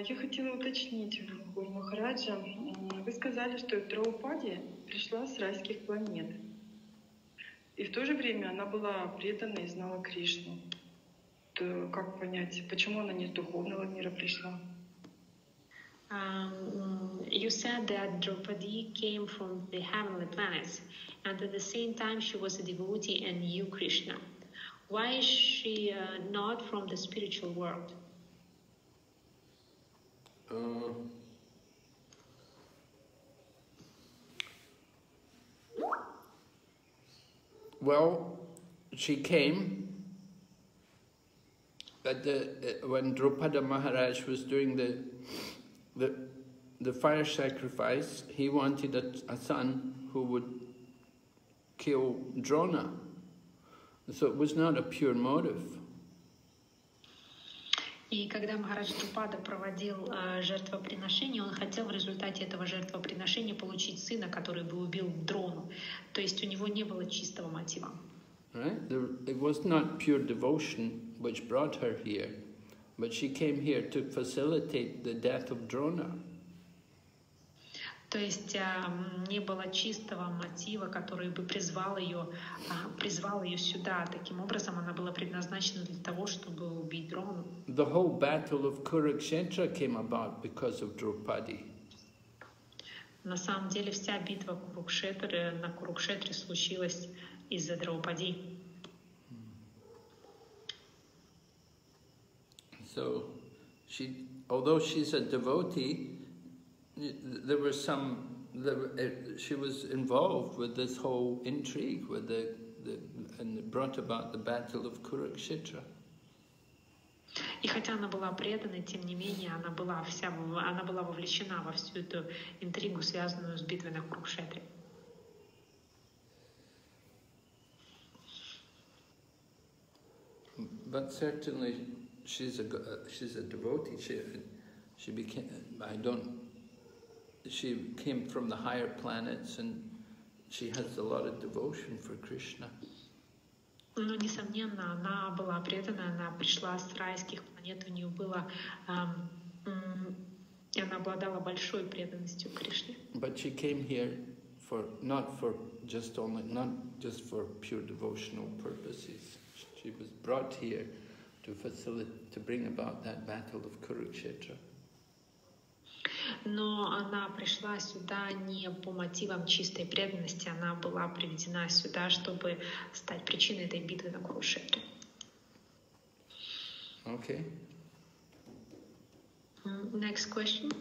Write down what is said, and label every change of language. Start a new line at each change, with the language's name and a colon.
Russian: Я хотела уточнить, Гуру Махараджа, вы сказали, что Драупади пришла с райских планет. И в то же время она была предана и знала Кришну. То как понять, почему она не с духовного мира пришла?
English: You said that Draupadi came from the heavenly planets, and at the same time she was a devotee and knew Krishna. Why is she not from the spiritual world? Well, she came at the when Draupada Maharaj was doing the fire sacrifice, he wanted a son who would kill Drona. So it was not a pure motive.
Russian: И когда Махарадж Трупада проводил жертвоприношение, он хотел в результате этого жертвоприношения получить сына, который бы убил Дрону. То есть у него не было чистого мотива.
English: Right? It was not pure devotion which brought her here. But she came here to facilitate the death of Drona.
Russian: То есть не было чистого мотива, который бы призвал ее сюда. Таким образом, она была предназначена для того, чтобы убить Дрону.
English: The whole battle of Kurukshetra came about because of Draupadi.
Russian: На самом деле вся битва на Курукшетре случилась из-за Драупади.
English: So, she, although she's a devotee, there was some. She was involved with this whole intrigue with the and brought about the battle of Kurukshetra.
Russian: И хотя она была преданной, тем не менее она была вовлечена во всю эту интригу, связанную с битвой на Курукшетре.
English: But certainly. She's a devotee. She came from the higher planets, and she has a lot of devotion for Krishna.
Russian: Ну, несомненно, она была предана. Она пришла с райских планет. У нее было, и она обладала большой преданностью Кришне.
English: But she came here not just for pure devotional purposes. She was brought here to bring about that battle of Kurukshetra.
Russian: Но она пришла сюда не по мотивам чистой преданности, она была приведена сюда, чтобы стать причиной этой битвы на Курукшетре.
English: Okay. Next question.